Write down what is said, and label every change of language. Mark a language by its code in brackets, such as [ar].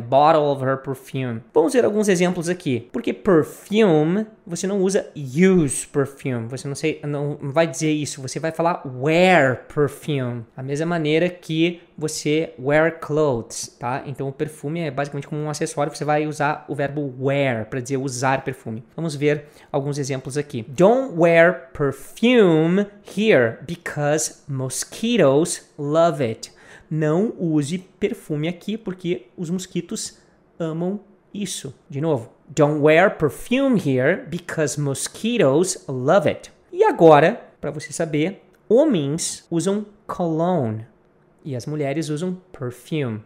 [en] Bottle of her perfume. [pt] Vamos ver alguns exemplos aqui. Porque perfume, você não usa use perfume. Você não vai dizer isso, você vai falar [en] wear perfume. [pt] Da mesma maneira que você [en] wear clothes, [pt] tá? Então o perfume é basicamente como um acessório, você vai usar o verbo wear para dizer usar perfume. Vamos ver alguns exemplos aqui. [en] Don't wear perfume here because mosquitoes love it. [pt] Não use perfume aqui porque os mosquitos amam isso. De novo. [en] Don't wear perfume here because mosquitoes love it. [pt] E agora, para você saber, homens usam cologne. E as mulheres usam perfume.